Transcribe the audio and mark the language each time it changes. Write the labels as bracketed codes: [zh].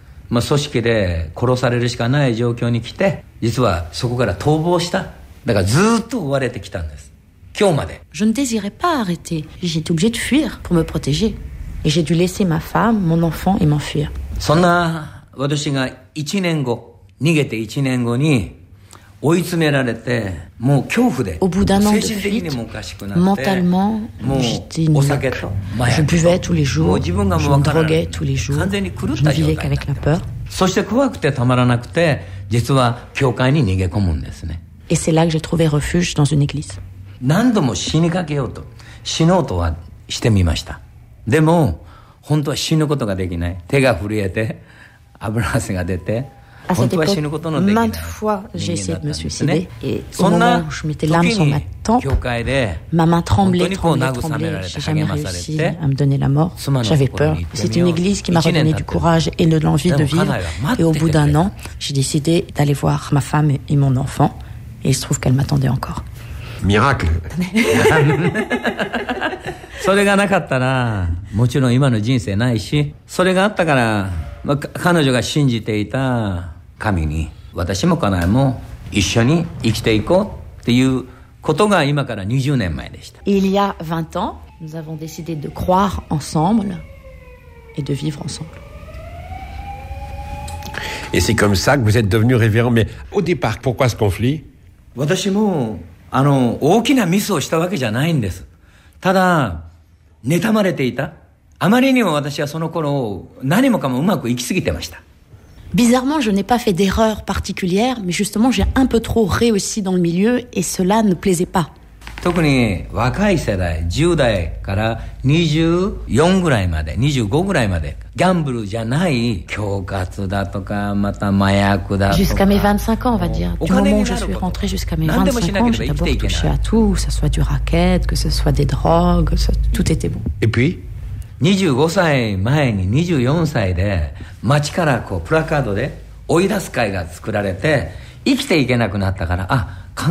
[ja] まあ、組織で殺されるしかない状況に来て、実はそこから逃亡した。だからずっと追われてきたんです。今日まで。 [fr] Je ne désirais pas arrêter. J'étais obligé de fuir pour me protéger. Et j'ai dû laisser ma femme, mon enfant et m'enfuir. [ja] そんな私が1年後、逃げて1年後に追い詰められて、もう恐怖で。 [fr] Au bout d'un an de fuite, mentalement, j'étais nul. Je buvais tous les jours, je me droguais tous les jours, je ne vivais qu'avec la peur. [ja] そして怖くてたまらなくて、実は教会に逃げ込むんですね。 [fr] Et c'est là que j'ai trouvé refuge dans une église. [ja] 何度も死にかけようと、死のうとはしてみました。でも、本当は死ぬことができない。手が震えて、油汗が出て、 [fr] À cette époque, maintes fois, j'ai essayé de me suicider. Et au moment où je mettais l'âme sur ma tempe, ma main tremblait. J'ai jamais réussi à me donner la mort. J'avais peur. C'est une église qui m'a redonné du courage et de l'envie de vivre. Et au bout d'un an, j'ai décidé d'aller voir ma femme et mon enfant. Et il se trouve qu'elle m'attendait encore. Miracle. [ja] それがなかったら、もちろん今の人生ないし、それがあったから、まあ、彼女が信じていた神に、私も家内も一緒に生きていこうっていうことが今から20年前でした。 [fr] Il y a 20 ans, nous avons décidé de croire ensemble et de vivre ensemble. Et c'est comme ça que vous êtes devenu révérend. Mais au départ, pourquoi ce conflit? [ja] 私も、あの、大きなミスをしたわけじゃないんです。ただ、妬まれていた。あまりにも私はその頃何もかもうまくいきすぎてました。 [fr] Bizarrement, je n'ai pas fait d'erreur particulière, mais justement, j'ai un peu trop réussi dans le milieu et cela ne plaisait pas. [ja] 特に若い世代、10代から24ぐらいまで、25ぐらいまで、ギャンブルじゃない、恐喝だとか、また麻薬だとか。 [fr] Jusqu'à mes 25 ans, on va dire. Du moment où je suis rentré jusqu'à mes 25 ans, j'ai d'abord touché à tout, que ce soit du racket, que ce soit des drogues, tout était bon. Et puis? [ja] 25歳前に24歳で、町からこう、プラカードで追い出す会が作られて、生きていけなくなったから、あ、